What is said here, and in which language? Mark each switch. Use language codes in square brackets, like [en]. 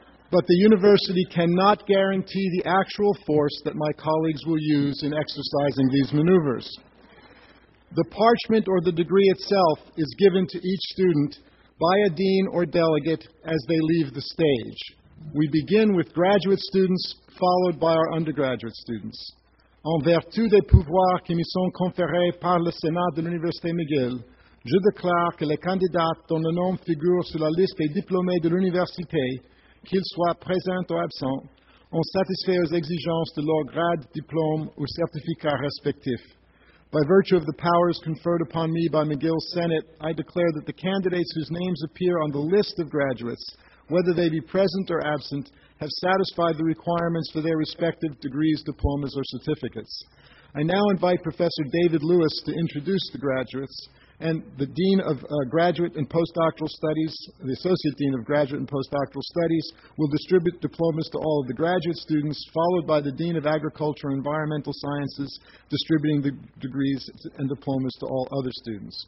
[en] But the university cannot guarantee the actual force that my colleagues will use in exercising these maneuvers. The parchment or the degree itself is given to each student by a dean or delegate as they leave the stage. We begin with graduate students, followed by our undergraduate students. [fr] En vertu des pouvoirs qui me sont conférés par le Sénat de l'Université McGill, je déclare que les candidats dont le nom figure sur la liste des diplômés de l'Université, qu'ils soient présents ou absents, ont satisfait aux exigences de leur grade, diplôme ou certificat respectif. [en] By virtue of the powers conferred upon me by McGill Senate, I declare that the candidates whose names appear on the list of graduates, whether they be present or absent, have satisfied the requirements for their respective degrees, diplomas, or certificates. I now invite Professor David Lewis to introduce the graduates, and the Dean of Graduate and Postdoctoral Studies, the Associate Dean of Graduate and Postdoctoral Studies, will distribute diplomas to all of the graduate students, followed by the Dean of Agriculture and Environmental Sciences, distributing the degrees and diplomas to all other students.